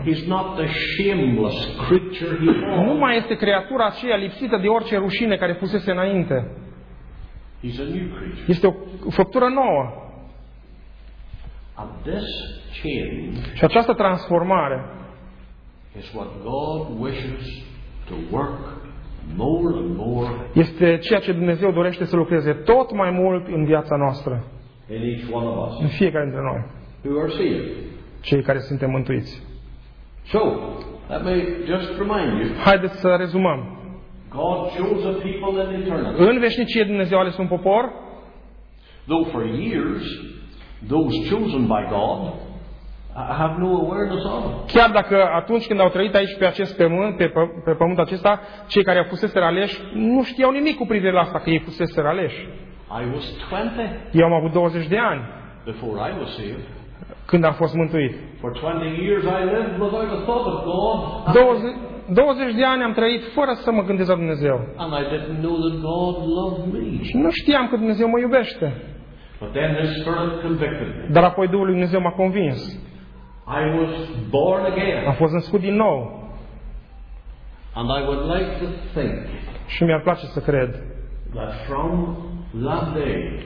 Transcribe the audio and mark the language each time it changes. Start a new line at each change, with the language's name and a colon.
English: He's not the shameless creature he was.
Romanian: Nu mai este creatura aceea lipsită de orice rușine care fusese înainte.
English: He's a new creature.
Romanian: Este o făptură nouă.
English: And this change.
Romanian: Și această transformare
English: is what God wishes to work more and more.
Romanian: Este ceea ce Dumnezeu dorește să lucreze tot mai mult în viața noastră.
English: In each one of us.
Romanian: În fiecare dintre noi.
English: Who are saved.
Romanian: Cei care suntem mântuiți.
English: So, let me just remind you.
Romanian: Haideți să rezumăm.
English: God chose a people in eternity.
Romanian: În veșnicie Dumnezeu a ales un popor.
English: Though for years, those chosen by God have no awareness of.
Romanian: Chiar dacă atunci când au trăit aici pe acest pământ, pe pământul acesta, cei care au fost aleși nu știau nimic cu privire la asta că ei fusese aleși.
English: I was 20.
Romanian: Eu am avut 20 de ani.
English: Before I was saved.
Romanian: Când am fost mântuit.
English: For 20 years I lived without a thought of God.
Romanian: 20 de ani am trăit fără să mă gândesc la Dumnezeu.
English: And I didn't know that God loved me.
Romanian: Și nu știam că Dumnezeu mă iubește.
English: But then the Spirit convicted me.
Romanian: Dar apoi Duhul lui Dumnezeu m-a convins.
English: I was born again.
Romanian: Am fost născut din nou.
English: And I would like to think.
Romanian: Și mi-ar place să cred.
English: That from that day.